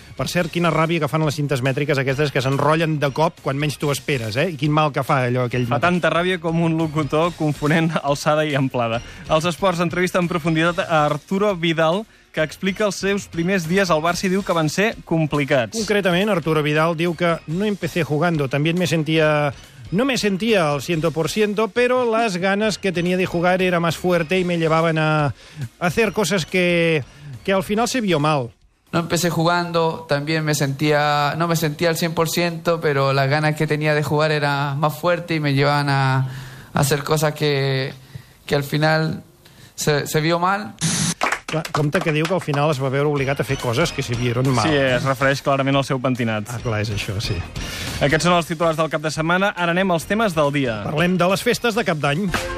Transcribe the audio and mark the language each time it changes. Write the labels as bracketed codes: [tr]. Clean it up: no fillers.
[ca] Per cert, quina ràbia que fan les cintes mètriques aquestes que s'enrotllen de cop quan menys t'ho esperes, I quin mal que fa allò aquell... Fa tanta ràbia com un locutor confonent alçada i amplada. Els esports, entrevista en profunditat a Arturo Vidal, que explica els seus primers dies al Barça i diu que van ser complicats. Concretament, Arturo Vidal diu que [es] no empecé jugando, también me sentía... No me sentía al 100%, pero las ganas que tenía de jugar era más fuerte y me llevaban a hacer cosas que al final se vio mal. No empecé jugando, también me sentía... No me sentía al 100%, pero las ganas que tenía de jugar era más fuerte y me llevaban a hacer cosas que al final se vio mal. [ca] Compte que diu que al final es va veure obligat a fer coses que s'hi [es] vieron mal. [ca] Sí, es refereix clarament al seu pentinat. Ah, clar, és això, sí. Aquests són els titulars del cap de setmana. Ara anem als temes del dia. Parlem de les festes de cap d'any.